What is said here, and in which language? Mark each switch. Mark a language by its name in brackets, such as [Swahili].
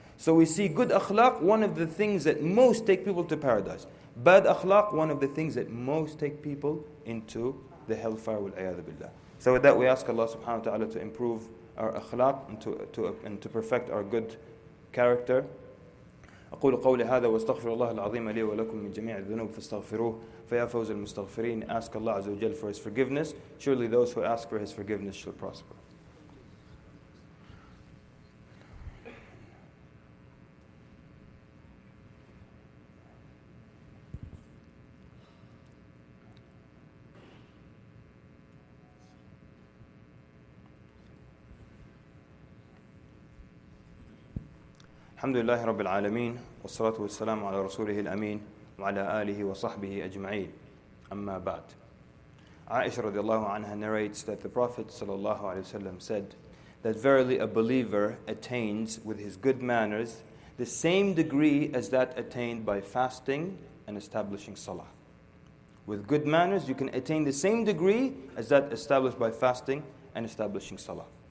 [English] So we see good akhlaq, one of the things that most take people to paradise. Bad akhlaq, one of the things that most take people into the hellfire, wal-ayyadu billah. So with that, we ask Allah subhanahu wa ta'ala to improve our akhlaq and to perfect our good character. [Arabic] أقول قولي هذا واستغفر الله العظيم لي ولكم من جميع الذنوب فاستغفروه فيا فوز المستغفرين. [English] Ask Allah عز وجل for His forgiveness. Surely those who ask for His forgiveness shall prosper. [Arabic] الحمد لله رب العالمين والصلاة والسلام على رسوله الأمين وعلى آله وصحبه أجمعين أما بعد. [English] عائشة رضي الله عنها narrates that the Prophet صلى الله عليه وسلم said that verily a believer attains with his good manners the same degree as that attained by fasting and establishing salah. With good manners you can attain the same degree as that established by fasting and establishing salah.